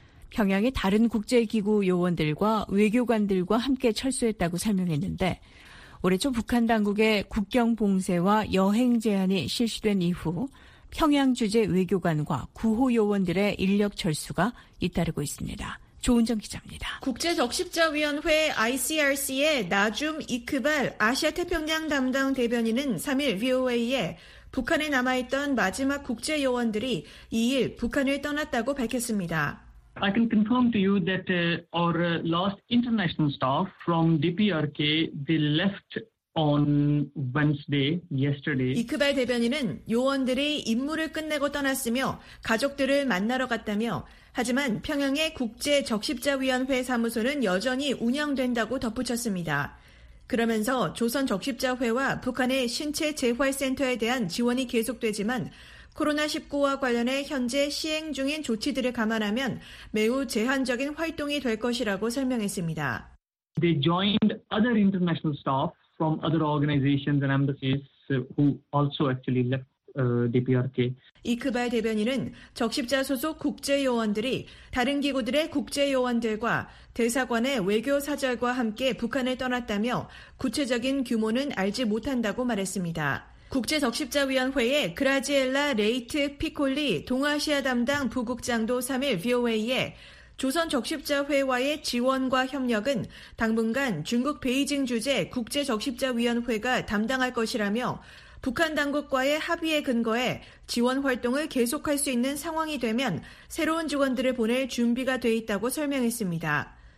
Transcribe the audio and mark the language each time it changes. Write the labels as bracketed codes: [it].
[ko] 평양의 다른 국제기구 요원들과 외교관들과 함께 철수했다고 설명했는데 올해 초 북한 당국의 국경 봉쇄와 여행 제한이 실시된 이후 평양 주재 외교관과 구호 요원들의 인력 철수가 잇따르고 있습니다. 조은정 기자입니다. 국제적십자위원회 ICRC의 나줌 이크발 아시아태평양 담당 대변인은 3일 VOA에 북한에 남아있던 마지막 국제 요원들이 2일 북한을 떠났다고 밝혔습니다. [en] I can confirm to you that our last international staff from DPRK, they left on Wednesday, yesterday. [ko] 이크발 대변인은 요원들이 임무를 끝내고 떠났으며 가족들을 만나러 갔다며 하지만 평양의 국제적십자위원회 사무소는 여전히 운영된다고 덧붙였습니다. 그러면서 조선적십자회와 북한의 신체재활센터에 대한 지원이 계속되지만 코로나19와 관련해 현재 시행 중인 조치들을 감안하면 매우 제한적인 활동이 될 것이라고 설명했습니다. [en] They joined other international staff from other organizations and embassies who also actually left DPRK. [ko] 이크발 대변인은 적십자 소속 국제 요원들이 다른 기구들의 국제 요원들과 대사관의 외교 사절과 함께 북한을 떠났다며 구체적인 규모는 알지 못한다고 말했습니다. 국제적십자위원회의 그라지엘라 레이트 피콜리 동아시아 담당 부국장도 3일 VOA에 조선적십자회와의 지원과 협력은 당분간 중국 베이징 주재 국제적십자위원회가 담당할 것이라며 북한 당국과의 합의에 근거해 지원 활동을 계속할 수 있는 상황이 되면 새로운 직원들을 보낼 준비가 돼 있다고 설명했습니다.